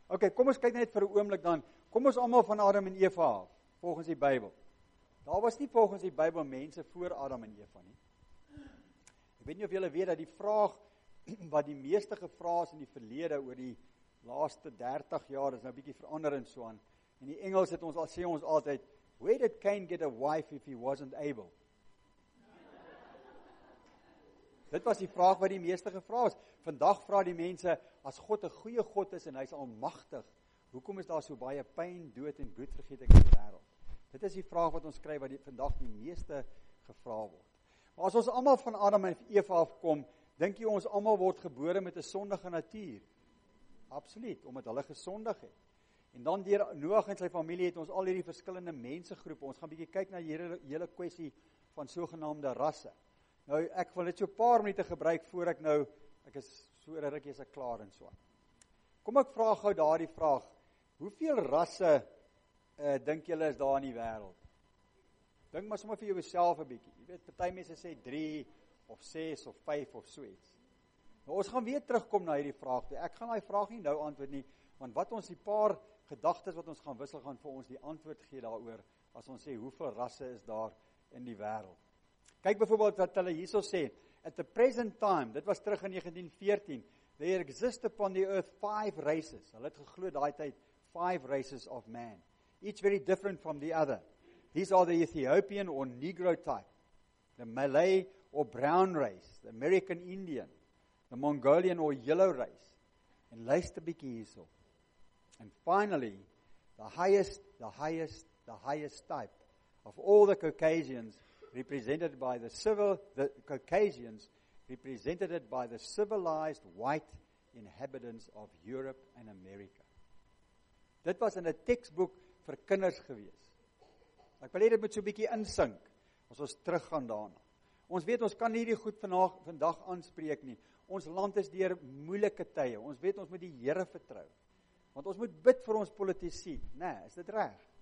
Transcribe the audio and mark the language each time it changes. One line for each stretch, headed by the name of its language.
Afrikaans: Ok, kom ons kyk net vir 'n oomblik dan, kom ons almal van Adam en Eva af, volgens die Bybel. Daar was nie volgens die Bybel mense voor Adam en Eva nie. Ek weet nie of julle weet dat die vraag wat die meeste gevra is in die verlede oor die laaste 30 jaar is nou bietjie verander en so aan. In die Engels het ons al sê ons altyd,
English: "Where did Cain get a wife if he wasn't able?"
Afrikaans: Dit was die vraag wat die meeste gevra is. Vandag vra die mense, as God 'n goeie God is en hy is almagtig, hoekom is daar so baie pyn, dood en bloedvergieting in die wêreld? Dit is die vraag wat ons kry wat vandag die meeste gevra word. Maar as ons almal van Adam en Eva afkom, dink jy ons almal word gebore met 'n sondige natuur? Absoluut, omdat hulle gesondig het. En dan deur Noag en sy familie het ons al hierdie verskillende mensegroepe. Ons gaan 'n bietjie kyk na die hele kwessie van sogenaamde rasse. Nou, ek wil dit so 'n paar minute gebruik voor ek nou, ek is so rukkie as ek klaar en so. Kom ek vra gou daardie vraag. Hoeveel rasse dink julle is daar in die wêreld? Dink maar sommer vir jouself 'n bietjie. Jy weet, party mense sê 3 of 6 of 5 of so iets. Nou, ons gaan weer terugkom na hierdie vraag. Ek gaan daai vraag nie nou antwoord nie, want wat ons die paar gedagtes wat ons gaan wissel gaan vir ons die antwoord gee daaroor as ons sê hoeveel rasse is daar in die wêreld. Kyk byvoorbeeld wat hulle hierso sê,
English: at the present time,
Afrikaans: dit was terug in 1914,
English: there exist upon the earth 5 races.
Afrikaans: Hulle het geglo daai tyd
English: 5 races of man, each very different from the other. These are the Ethiopian or Negro type, the Malay or brown race, the American Indian, the Mongolian or yellow race.
Afrikaans: En luister bietjie hierso.
English: And finally, the highest type of all the Caucasians represented by the civilized white inhabitants of Europe and America.
Afrikaans: Dit was in 'n teksboek vir kinders gewees. Ek wil hê dit moet so 'n bietjie insink as ons teruggaan daarna. Ons weet ons kan hierdie goed vandag aanspreek nie. Ons land is deur moeilike tye. Ons weet ons moet die Here vertrou. Want ons moet bid vir ons politici, nê, is dit reg?